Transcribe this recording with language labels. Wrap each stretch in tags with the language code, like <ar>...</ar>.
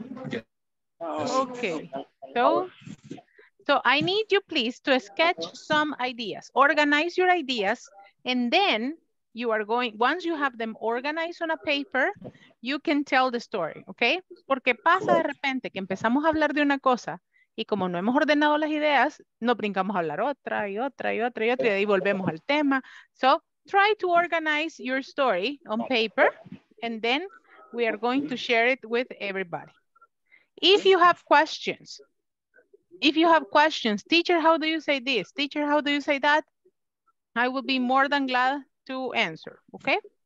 <en>Yes. Okay, so I need you please to sketch some ideas. Organize your ideas and then you are going, once you have them organized on a paper, you can tell the story, okay?</en> <es>Porque pasa de repente que empezamos a hablar de una cosa y como no hemos ordenado las ideas, no brincamos a hablar otra y otra y otra y otra y ahí volvemos al tema.</es> <en>So try to organize your story on paper and then we are going to share it with everybody. If you have questions, teacher, how do you say this? Teacher, how do you say that? I will be more than glad to answer, okay?</en>